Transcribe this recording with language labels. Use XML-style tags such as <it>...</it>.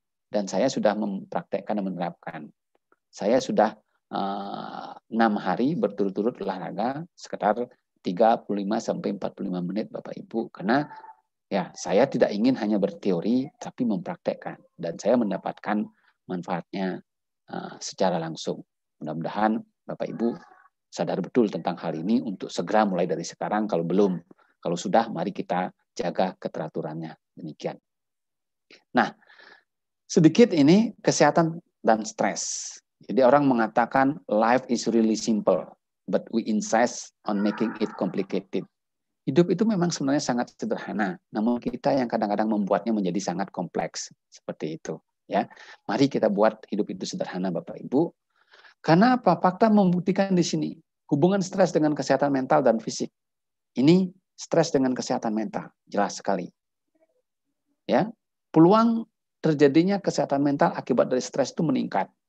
<id>Dan saya sudah mempraktekkan dan menerapkan. Saya sudah 6 hari berturut-turut olahraga sekitar 35 sampai 45 menit Bapak Ibu, karena ya saya tidak ingin hanya berteori tapi mempraktekkan, dan saya mendapatkan manfaatnya secara langsung. Mudah-mudahan Bapak Ibu sadar betul tentang hal ini untuk segera mulai dari sekarang, kalau belum, kalau sudah mari kita jaga keteraturannya. Demikian. Nah, sedikit ini kesehatan dan stres. Jadi orang mengatakan</id> <en>life is really simple, but we insist on making it complicated.</en> <id>Hidup itu memang sebenarnya sangat sederhana, namun kita yang kadang-kadang membuatnya menjadi sangat kompleks seperti itu. Ya, mari kita buat hidup itu sederhana, Bapak Ibu. Karena apa? Fakta membuktikan di sini hubungan stres dengan kesehatan mental dan fisik. Ini stres dengan kesehatan mental jelas sekali. Ya, peluang terjadinya kesehatan mental akibat dari stres itu meningkat.</id>